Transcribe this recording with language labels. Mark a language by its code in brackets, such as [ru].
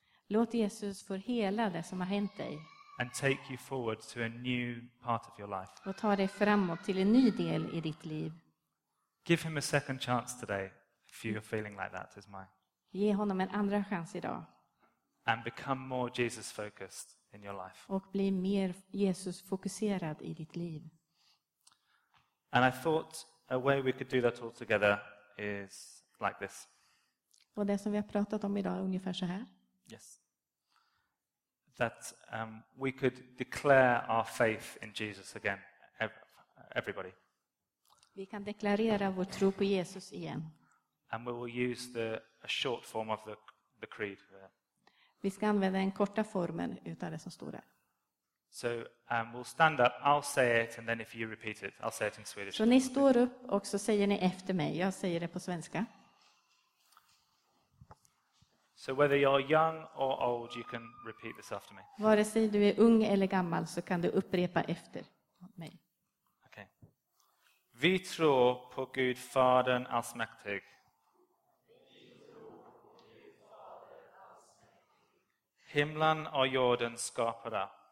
[sv] Låt Jesus få hela det som har hänt dig. [en] And take you forward to a new part of your life. [sv] Och ta dig framåt till en ny del i ditt liv. [en] Give him a second chance today if you're feeling like that is my. [sv] Ge honom en andra chans idag. [en] And become more Jesus focused in your life. [sv] Och bli mer Jesus fokuserad i ditt liv. [en] And I thought a way we could do that all together is like this. [sv] Och det som vi har pratat om idag är ungefär så här. [en] Yes. That we could declare our faith in Jesus again, everybody. [sv] Vi kan deklarera vår tro på Jesus igen. [en] And we will use a short form of the creed. [sv] Vi ska använda den korta formen utav det som står där. [en] So we'll stand up. I'll say it, and then if you repeat it, I'll say it in Swedish. [sv] Så ni står upp och så säger ni efter mig. Jag säger det på svenska. [en] So whether you're young or old, you can repeat this after me. [sv] Vare sig du är ung eller gammal så kan du upprepa efter mig. [en] Okay. [sv] Vi tror på Gud Fadern allsmäktig. Himlen och jorden skapade.